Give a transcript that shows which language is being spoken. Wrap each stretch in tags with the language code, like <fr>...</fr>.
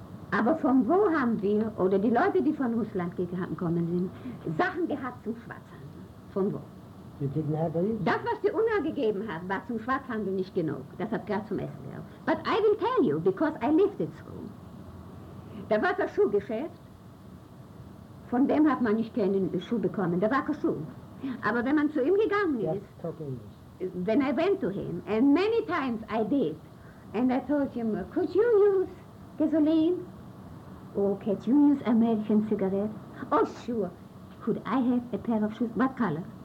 <de>Aber von wo haben wir, oder die Leute, die von Russland gekommen sind, Sachen gehabt zum Schwarzhandel? Von wo? Das, was die UNA gegeben hat, war zum Schwarzhandel nicht genug. Das hat gerade zum Essen gehabt.</de> <en>But I will tell you, because I lived it through.</en> <de>Da war das Schuhgeschäft. Von dem hat man nicht keinen Schuh bekommen. Da war kein Schuh. Aber wenn man zu ihm gegangen ist,</de> <en>when I went to him, and many times I did, and I told him, could you use gasoline? Or could you use American cigarette? Oh, sure. Could I have a pair of shoes? What color?</en>